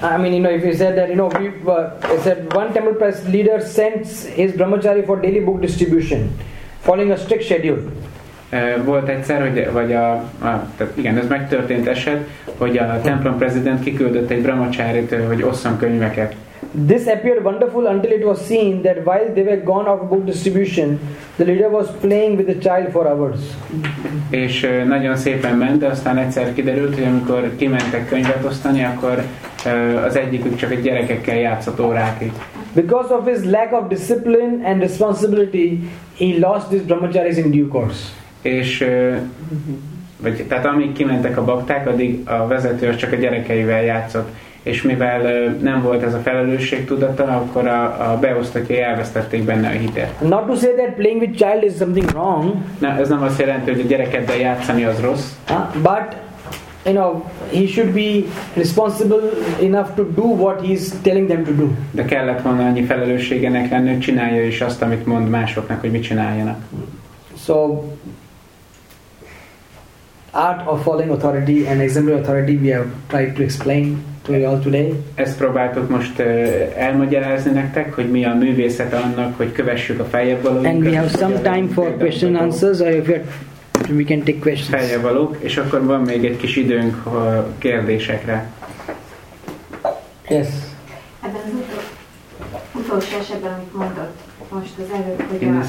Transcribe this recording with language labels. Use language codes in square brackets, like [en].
[en] I mean, you know, if you said that, you know, we said one temple press leader sends his brahmachari for daily book distribution, following a strict schedule. [hu] Volt egyszer, hogy vagy a tehát igen, ez megtörtént eset, hogy a templom president kiküldött egy brahmacharit, hogy osszon könyveket. [en] This appeared wonderful until it was seen that while they were gone off book distribution, the leader was playing with the child for hours. [hu] És nagyon szépen ment, de aztán egyszer kiderült, hogy amikor kimentek könyvet osztani, akkor az egyikük csak egy gyerekekkel játszott órákig. [en] Because of his lack of discipline and responsibility, he lost his brahmacharis in due course. [hu] És vagy tehát amíg kimentek a bakták, addig a vezető csak a gyerekeivel játszott. És mivel nem volt ez a felelősség tudata, akkor a beosztatja elvesztették benne a hitet. [en] Not to say that playing with child is something wrong. [hu] Na, ez nem azt jelenti, hogy a gyerekeddel játszani az rossz. [en] But you know, he should be responsible enough to do what he's telling them to do. [hu] De kellett volna annyi felelősségének lenni, hogy csinálja is azt, amit mond másoknak, hogy mit csináljanak. [en] So art of following authority and exemplary authority we have tried to explain. very well today. [hu] Ezt próbáltuk most elmagyarázni nektek, hogy mi a művészet annak, hogy kövessük a feljebb valóinkat. [en] And we have some time for question and answers, or if we can take questions. [hu] Feljebb valók, és akkor van még egy kis időnk a kérdésekre. [en] Yes. [hu] Ebben az utolsó esetben, amit mondott, most az előbb, hogy